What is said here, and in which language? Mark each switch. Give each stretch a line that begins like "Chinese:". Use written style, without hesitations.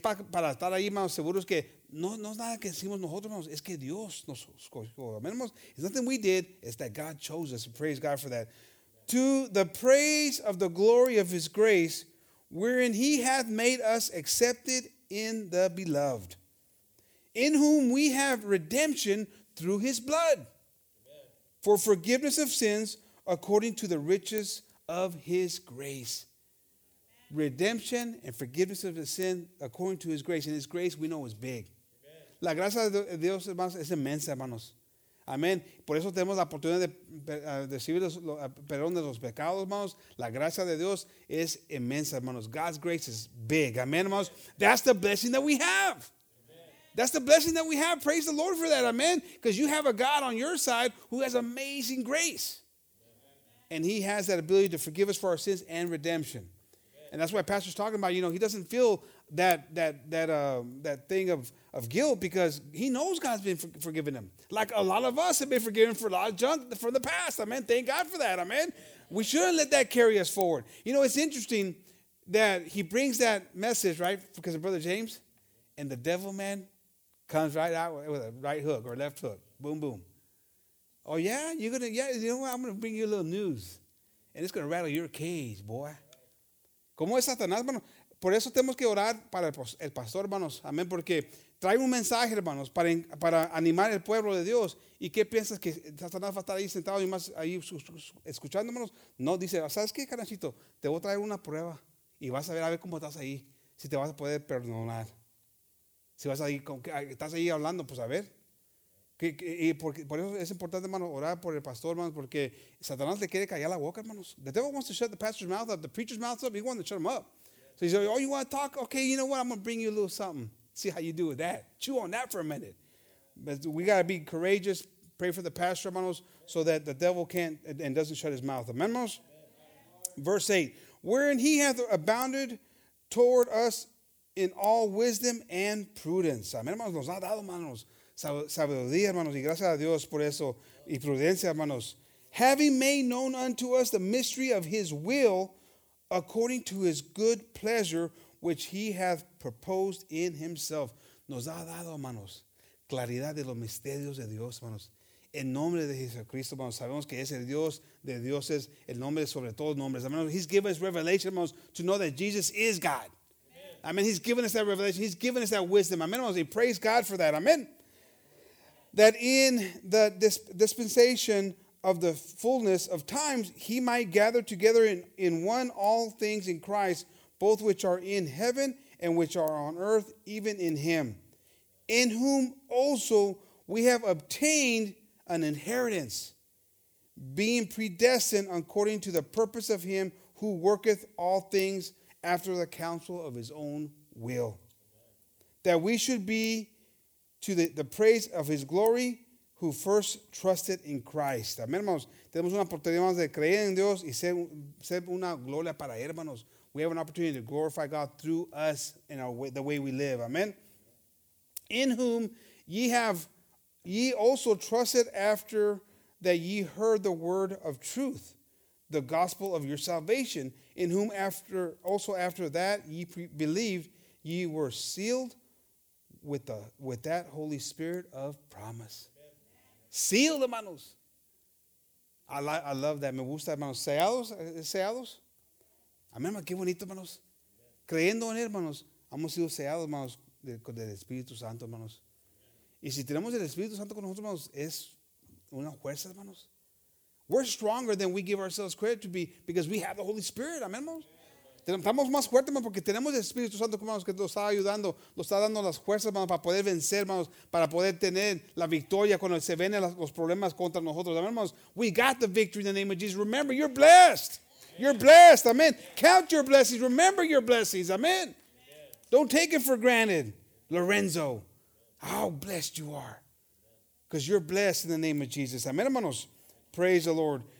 Spanish: Para estar ahí, hermanos, seguros que no es nada que decimos nosotros, hermanos, es que Dios nos escogió, amén, hermanos.
English: It's nothing we did, it's that God chose us, praise God for that. Amen. To the praise of the glory of his grace, wherein he hath made us accepted in the beloved, in whom we have redemption through his blood, amen, for forgiveness of sins according to the riches of his grace. Amen. Redemption and forgiveness of the sin according to his grace. And his grace, we know, is big.
Spanish: Amen. La gracia de Dios, hermanos, es inmensa, hermanos. Amén. Por eso tenemos la oportunidad de recibir el perdón de los pecados, hermanos. La gracia de Dios es inmensa, hermanos.
English: God's grace is big.
Spanish: Amén, hermanos.
English: That's the blessing that we have. Amen. That's the blessing that we have. Praise the Lord for that. Amén. Because you have a God on your side who has amazing grace. Amen. And he has that ability to forgive us for our sins and redemption. Amen. And that's why Pastor's talking about, you know, he doesn't feel that thing of guilt, because he knows God's been forgiven him. Like a lot of us have been forgiven for a lot of junk from the past. Amen. Thank God for that. Amen. We shouldn't let that carry us forward. You know, it's interesting that he brings that message, right, because of Brother James, and the devil man comes right out with a right hook or left hook. Boom, boom. Oh, yeah? You know what? I'm going to bring you a little news, and it's going to rattle your cage, boy.
Spanish: ¿Cómo es Satanás, hermano? Por eso tenemos que orar para el pastor, hermanos. Amén. Porque trae un mensaje, hermanos, para animar el pueblo de Dios. ¿Y qué piensas, que Satanás va a estar ahí sentado y más ahí escuchándonos? No, dice, ¿sabes qué, canachito? Te voy a traer una prueba y vas a ver cómo estás ahí, si te vas a poder perdonar. Si vas ahí, estás ahí hablando, pues a ver. Y por eso es importante, hermano, orar por el pastor, hermanos, porque Satanás le quiere callar la boca, hermanos.
English: The devil wants to shut the pastor's mouth up, the preacher's mouth up, he wants to shut him up. So he's like, oh, you want to talk? Okay, you know what? I'm going to bring you a little something. See how you do with that. Chew on that for a minute. But we got to be courageous. Pray for the pastor, hermanos, so that the devil can't and doesn't shut his mouth. Amen, hermanos? Verse 8. Wherein he hath abounded toward us in all wisdom and prudence. Amen, hermanos.
Spanish: Nos ha dado, hermanos, sabiduría, hermanos. Y gracias a Dios por eso. Y prudencia, hermanos.
English: Having made known unto us the mystery of his will, according to his good pleasure, which he hath proposed in himself.
Spanish: Nos ha dado, hermanos, claridad de los misterios de Dios, hermanos. En nombre de Jesucristo, hermanos, sabemos que es el Dios de Dioses, el nombre sobre todos nombres.
English: Hermanos, he's given us revelation, hermanos, to know that Jesus is God. Amen. I mean, he's given us that revelation. He's given us that wisdom. Amen, hermanos, and praise God for that. Amen. That in the dispensation of the fullness of times, he might gather together in one all things in Christ, both which are in heaven and which are on earth, even in him, in whom also we have obtained an inheritance, being predestined according to the purpose of him who worketh all things after the counsel of his own will, that we should be to the praise of his glory, who first trusted in Christ. Amén, hermanos.
Spanish: Tenemos una oportunidad más de creer en Dios y ser una gloria para hermanos.
English: We have an opportunity to glorify God through us in our way, the way we live. Amen. In whom ye also trusted after that ye heard the word of truth, the gospel of your salvation, in whom after that ye believed, ye were sealed with that Holy Spirit of promise. Amen. Sealed, hermanos. I love that.
Spanish: Me gusta, hermanos. Sellados. Amén, qué bonito, hermanos. Creyendo en él, hermanos, hemos sido sellados, hermanos, del Espíritu Santo, hermanos. Y si tenemos el Espíritu Santo con nosotros, hermanos, es una fuerza, hermanos.
English: We're stronger than we give ourselves credit to be because we have the Holy Spirit, amén, hermanos.
Spanish: Estamos más fuertes, hermanos, porque tenemos el Espíritu Santo, hermanos, que nos está ayudando, nos está dando las fuerzas, hermanos, para poder vencer, hermanos, para poder tener la victoria cuando se ven los problemas contra nosotros, amén, hermanos.
English: We got the victory in the name of Jesus. Remember, you're blessed. You're blessed, amen. Count your blessings. Remember your blessings, amen. Don't take it for granted, Lorenzo, how blessed you are. Because you're blessed in the name of Jesus. Amen, hermanos. Praise the Lord.